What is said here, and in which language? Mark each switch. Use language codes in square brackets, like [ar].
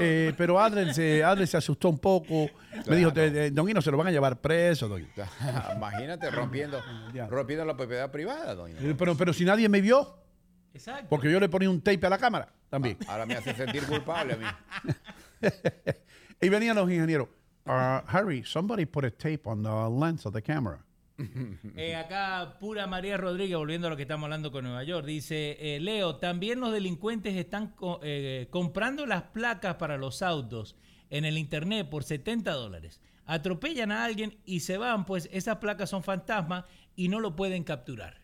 [es] Pero Adler se asustó un poco. Claro. Me dijo, don Hino, se lo van a llevar preso, don Hino. Imagínate rompiendo la propiedad privada, don Hino. Pero si nadie me vio. Exacto. Porque yo le ponía un tape a la cámara también. Ah, ahora me hace sentir culpable a mí. Y venían los ingenieros. [en] Harry, somebody put a tape on the lens of the camera. [es] Acá pura María Rodríguez, volviendo a lo que estamos hablando con Nueva York, dice, Leo, también los delincuentes están comprando las placas para los autos en el internet por $70. Atropellan a alguien y se van, pues esas placas son fantasmas y no lo pueden capturar.